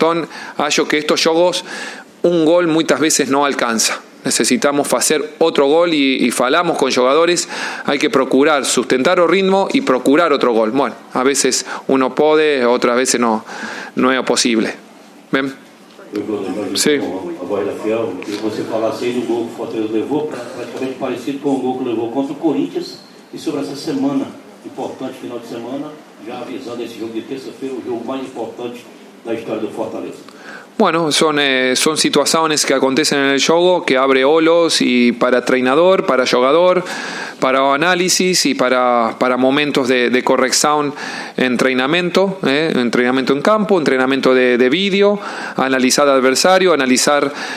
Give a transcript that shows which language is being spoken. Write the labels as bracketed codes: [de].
[es] Entonces, creo que estos juegos, un gol muchas veces no alcanza. Necesitamos hacer otro gol y [pt] falamos [es] con jugadores. Hay que procurar sustentar el ritmo y procurar otro gol. Bueno, a veces uno puede, otras veces no es posible. ¿Ven? [pt] Sim. Com a Bahia Fiel, e você falasse aí do gol que o Fortaleza levou, praticamente parecido com o gol que levou contra o Corinthians, e sobre essa semana, importante final de semana, já avisando esse jogo de terça-feira, o jogo mais importante da história do Fortaleza. [es] Bueno, son situaciones que acontecen en el juego, que abre olos y para entrenador, para jugador, para análisis y para momentos de corrección en entrenamiento, entrenamiento en campo, entrenamiento de vídeo, analizar adversario, analizar